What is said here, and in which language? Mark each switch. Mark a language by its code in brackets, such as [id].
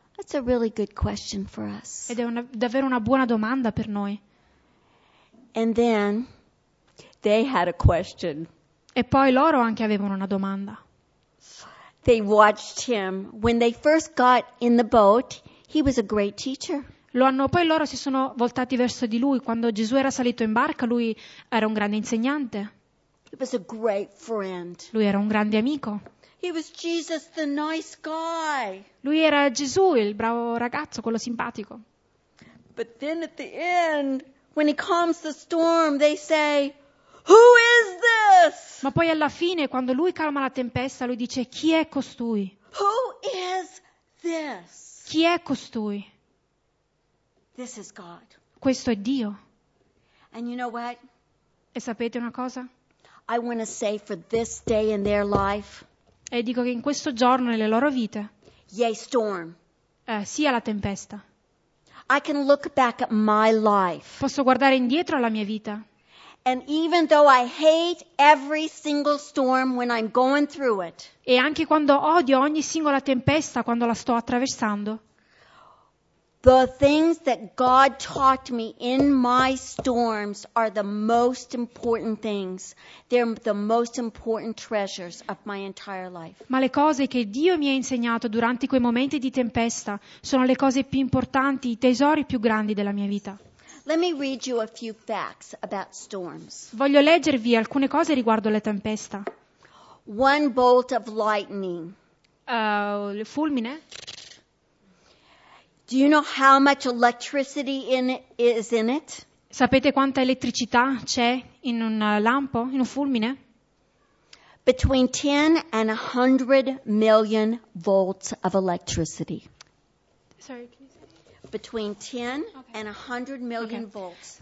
[en] That's a really good question for us. [it] Ed è davvero una buona domanda per noi. [en] And then they had a question. [it] E poi loro anche avevano una domanda. [en] They watched him when they first got in the boat. He was a great teacher. [it] Lo hanno, poi loro si sono voltati verso di lui quando Gesù era salito in barca. Lui era un grande insegnante. [en] He was a great friend. [it] Lui era un grande amico. [en] He was Jesus, the nice guy. [it] Lui era Gesù, il bravo ragazzo, quello simpatico. [en] But then at the end, when he calms the storm, they say, "Who is this?" [it] Ma poi alla fine, quando lui calma la tempesta, lui dice, "Chi è costui?" [en] Who is this? [it] Chi è costui? [en] This is God. [it] Questo è Dio. [en] And you know what? [it] E sapete una cosa? [en] I want to say for this day in their life. [it] E dico che in questo giorno nelle loro vite. [en] Yay storm. [it] Sia la tempesta. [en] I can look back at my life. [it] Posso guardare indietro alla mia vita. [en] And even though I hate every single storm when I'm going through it. [it] E anche quando odio ogni singola tempesta quando la sto attraversando. [en] The things that God taught me in my storms are the most important things. They're the most important treasures of my entire life. [it] Ma le cose che Dio mi ha insegnato durante quei momenti di tempesta sono le cose più importanti, i tesori più grandi della mia vita. [en] Let me read you a few facts about storms. [it] Voglio leggervi alcune cose riguardo la tempesta. [en] One bolt of lightning. [it] Il fulmine. [en] Do you know how much electricity is in it? [it] Sapete quanta elettricità c'è in un lampo, in un fulmine? [en] Between 10 and 100 million volts of electricity. Sorry, can you say? Between 10 and 100 million volts.